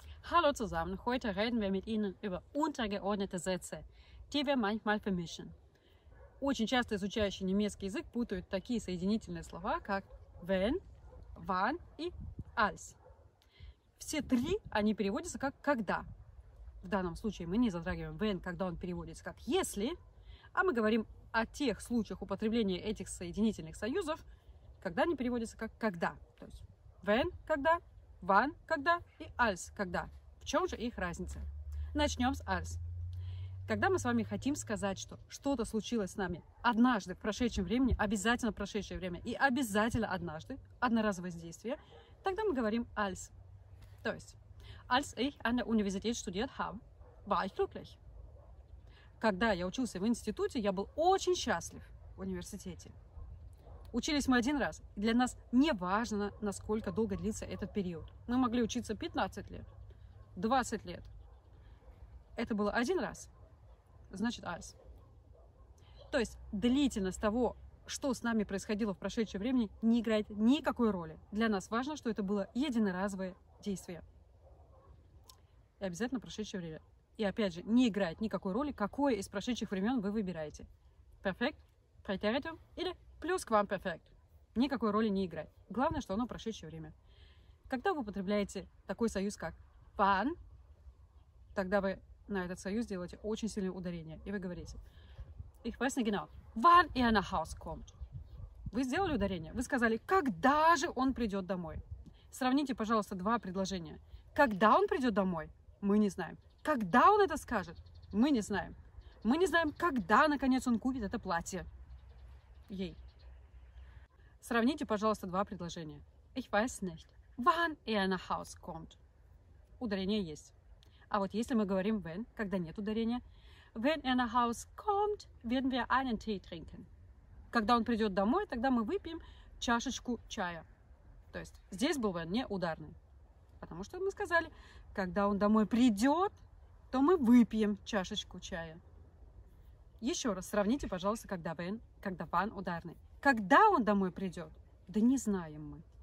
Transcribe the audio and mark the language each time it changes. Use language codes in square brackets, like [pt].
[de] Hallo zusammen, heute reden wir mit Ihnen über untergeordnete Sätze, die wir manchmal vermischen. [ru] Очень часто изучающие немецкий язык путают такие соединительные слова, как wenn, wann и als. Все три они переводятся как когда. В данном случае мы не затрагиваем wenn, когда он переводится как если, а мы говорим о тех случаях употребления этих соединительных союзов, когда они переводятся как когда. То есть wenn, когда, wann, когда и als, когда. В чем же их разница? Начнем с als. Когда мы с вами хотим сказать, что что-то случилось с нами однажды в прошедшем времени, обязательно в прошедшее время и обязательно однажды, одноразовое действие, тогда мы говорим als. То есть, [de] als ich an der Universität studiert habe, war ich glücklich. [ru] Когда я учился в институте, я был очень счастлив в университете. Учились мы один раз, и для нас не важно, насколько долго длится этот период. Мы могли учиться 15 лет, 20 лет. Это было один раз, значит, als. То есть длительность того, что с нами происходило в прошедшем времени, не играет никакой роли. Для нас важно, что это было единоразовое действие. И обязательно прошедшее время. И опять же, не играет никакой роли, какое из прошедших времен вы выбираете. [de] Perfekt, Präteritum [ru] или [de] Plusquamperfekt. [ru] Никакой роли не играет. Главное, что оно прошедшее время. Когда вы употребляете такой союз, как wann, тогда вы на этот союз делаете очень сильное ударение. И вы говорите, [de] ich weiß nicht genau, wann er nach Hause kommt. [ru] Вы сделали ударение. Вы сказали, когда же он придет домой. Сравните, пожалуйста, два предложения. Когда он придет домой, мы не знаем. Когда он это скажет, мы не знаем. Мы не знаем, когда, наконец, он купит это платье ей. Сравните, пожалуйста, два предложения. [de] Ich weiß nicht, wann er nach Hause kommt. [ru] Ударение есть. А вот если мы говорим wenn, когда нет ударения, [de] wenn er nach Hause kommt, werden wir einen Tee trinken. [ru] Когда он придет домой, тогда мы выпьем чашечку чая. То есть здесь был wenn не ударный. Потому что мы сказали, когда он домой придет, то мы выпьем чашечку чая. Еще раз сравните, пожалуйста, когда wenn, когда wann ударный. Когда он домой придет? Да не знаем мы.